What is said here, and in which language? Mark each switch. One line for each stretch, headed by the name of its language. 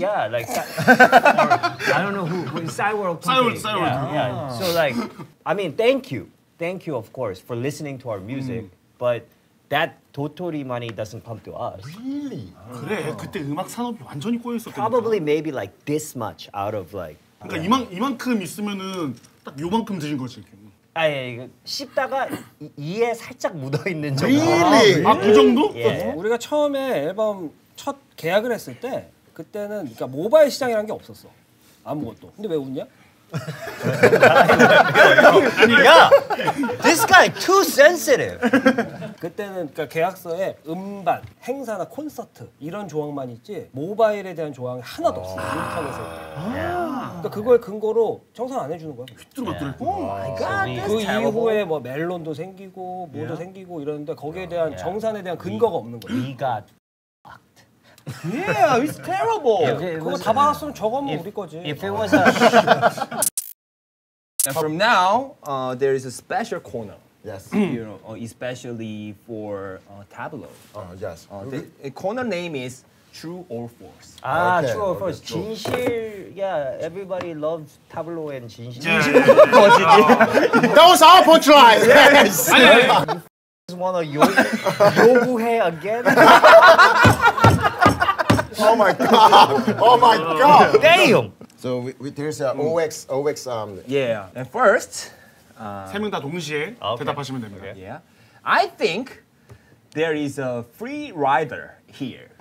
English: Yeah, like, I don't know who is Cyworld. Cyworld. Yeah. So like, I mean, thank you, of course, for listening to our music, but that Totori money doesn't come to us. Really?
Korean: 그래, 그때 음악 산업이 완전히 꼬여 있었거든.
English: Probably maybe like this much out of like.
Korean: 그러니까 이만큼 있으면은 딱 요만큼 드신 거지. 아예 씹다가 이에 살짝 묻어 있는 정도.
English: Really?
Korean: 아, 그 정도? 우리가 처음에 앨범 첫 계약을 했을 때 그때는 그러니까 모바일 시장이란 게 없었어. 아무것도. 근데 왜 웃냐? 야,
English: this guy too sensitive.
Korean: 그때는 그러니까 계약서에 음반, 행사나 콘서트 이런 조항만 있지 모바일에 대한 조항이 하나도 없어. 인터넷에. 그러니까 그걸 근거로 청산 안 해주는 거야. 휘뚜루뚜루. 그 이후에 뭐 멜론도 생기고 뭐도 생기고 이러는데 거기에 대한 정산에 대한 근거가 없는 거야. 네가
English: Yeah, it's terrible. If,
Korean: 그거 다 받았으면 저거면 우리 거지.
English: If it was a... now from now, there is a special corner. Yes. You know, especially for Tableau. Yes. The corner name is True or False. Ah, okay. True or False. Okay. 진실. Yeah, everybody loves Tableau and 진실.
Korean: 진실 거지.
English: That was our punchline. Yes. You just wanna
Korean: 요구해
English: again? Oh my god! Oh my god! Damn! So we there's a OX. Yeah. And first,
Korean: 세 명 다 동시에 대답하시면 됩니다.
English: Okay. Yeah. I think there is a free rider here.